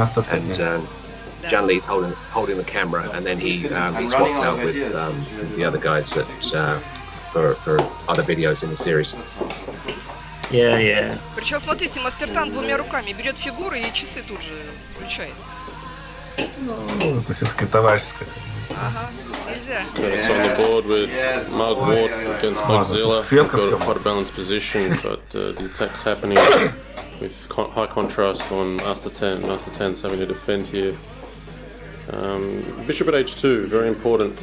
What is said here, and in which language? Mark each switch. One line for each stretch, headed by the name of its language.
English: And John Lee's holding the camera, and then he swaps out with the other guys that for other videos in the series. Yeah, yeah.
Russian: Причем, смотрите, мастер Тан двумя руками берет фигуры и часы тут же включает. Ну, это все-таки товарищеское. Ага, нельзя.
English: Yes, on the board with Mug Ward against Bugzilla. Got a quite balanced position, but the attack's happening with high contrast on Master 10. Master 10's having to defend here. Bishop at h2, very important.